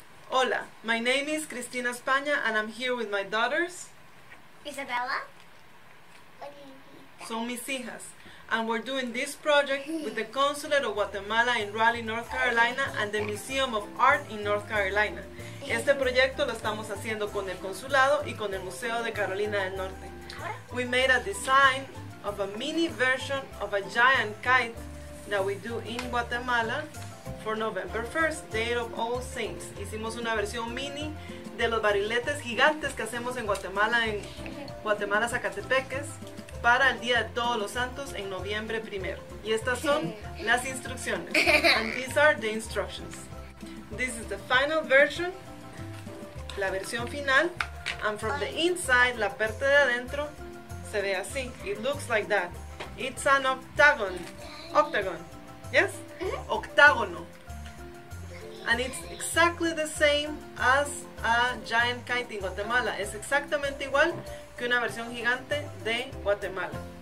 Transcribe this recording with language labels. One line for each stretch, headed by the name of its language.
English: Hola, my name is Cristina España and I'm here with my daughters. Isabella.
Spanish: Son mis hijas.
English: And we're doing this project with the Consulate of Guatemala in Raleigh, North Carolina and the Museum of Art in North Carolina.
Spanish: Este proyecto lo estamos haciendo con el Consulado y con el Museo de Carolina del Norte.
English: We made a design of a mini version of a giant kite that we do in Guatemala for November 1st, Day of All Saints.
Spanish: Hicimos una versión mini de los bariletes gigantes que hacemos en Guatemala Zacatepeques para el Día de Todos los Santos en noviembre 1. Y estas son las instrucciones.
English: And these are the instructions. This is the final version,
Spanish: la versión final.
English: And from the inside,
Spanish: la parte de adentro, se ve así.
English: It looks like that. It's an octagon. Octagon. Yes?
Spanish: Octágono.
English: And it's exactly the same as a giant kite in Guatemala.
Spanish: Es exactamente igual que una versión gigante de Guatemala.